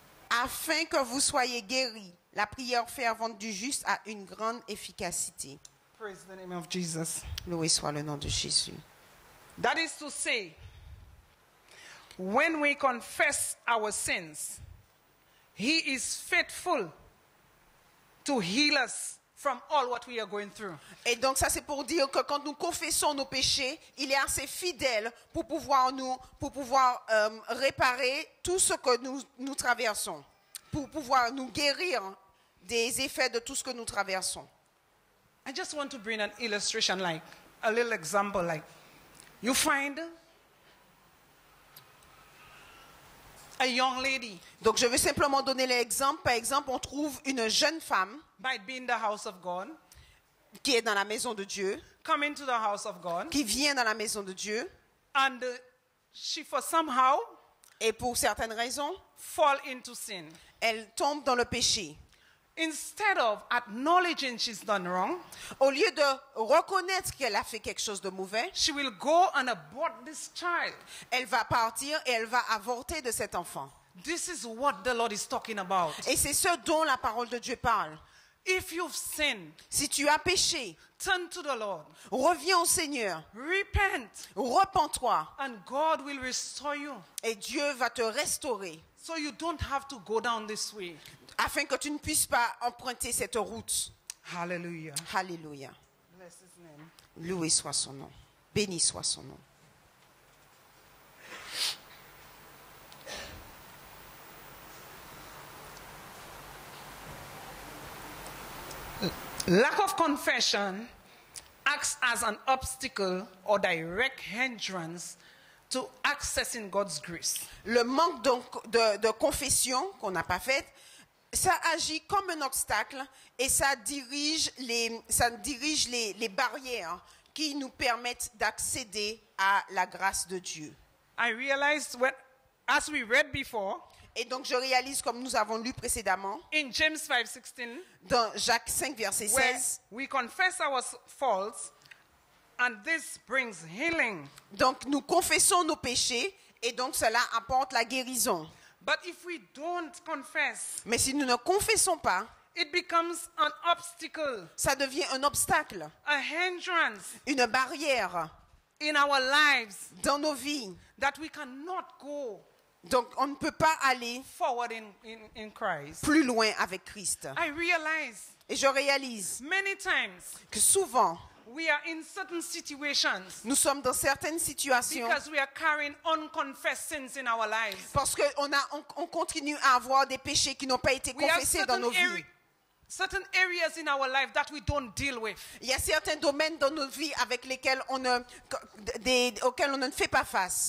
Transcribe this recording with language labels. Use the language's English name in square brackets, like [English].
[French] Afin que vous soyez guéris. La prière fervente du juste a une grande efficacité. [English] Praise the name of Jesus. [French] Loué soit le nom de Jésus. [English] That is to say, when we confess our sins, He is faithful to heal us from all what we are going through. [French] Et donc ça c'est pour dire que quand nous confessons nos péchés, il est assez fidèle pour pouvoir réparer tout ce que nous traversons, pour pouvoir nous guérir des effets de tout ce que nous traversons. [English] I just want to bring an illustration, like a little example, like you find a young lady. [French] Donc je veux simplement donner l'exemple. Par exemple, on trouve une jeune femme [English] by being the house of God, [French] qui est dans la maison de Dieu, [English] come into the house of God, [French] qui vient dans la maison de Dieu, [English] and she for somehow, [French] et pour certaines raisons, [English] fall into sin. [French] Elle tombe dans le péché. [English] Instead of acknowledging she's done wrong, [French] au lieu de reconnaître qu'elle a fait quelque chose de mauvais, [English] she will go and abort this child. [French] Elle va partir et elle va avorter de cet enfant. [English] This is what the Lord is talking about. [French] Et c'est ce dont la parole de Dieu parle. [English] If you've sinned, [French] si tu as péché, [English] turn to the Lord. [French] Reviens au Seigneur. [English] Repent. [French] Repens-toi. [English] And God will restore you. [French] Et Dieu va te restaurer. [English] So you don't have to go down this way. [French] Afin que tu ne puisses pas emprunter cette route. [English] Hallelujah. [French] Hallelujah. [English] Bless his name. [French] Loué soit son nom. Béni soit son nom. [English] Lack of confession acts as an obstacle or direct hindrance to accessing God's grace. [French] Le manque de confession qu'on n'a pas faite, ça agit comme un obstacle et ça dirige les barrières qui nous permettent d'accéder à la grâce de Dieu. [English] I realized what, as we read before, [French] et donc je réalise comme nous avons lu précédemment, [English] in James 5:16, [French] dans Jacques 5 verset 16, [English] we confess our faults and this brings healing. [French] Donc nous confessons nos péchés et donc cela apporte la guérison. [English] But if we don't confess, [French] mais si nous ne confessons pas, [English] it becomes an obstacle, [French] ça devient un obstacle, [English] a hindrance, [French] une barrière [English] in our lives, [French] dans nos vies, [English] that we cannot go [French] Donc, on ne peut pas aller [English] forward in Christ. [French] Plus loin avec Christ. [English] I realize [French] et je réalise [English] many times [French] que souvent, [English] we are in certain situations. [French] Nous sommes dans certaines situations. [English] Because we are carrying unconfessed sins in our lives. [French] Parce que on continue à avoir des péchés qui n'ont pas été confessés dans nos vies. [English] Certain areas in our life that we don't deal with. [French] Il y a certains domaines dans nos vies avec lesquels auxquels on ne fait pas face.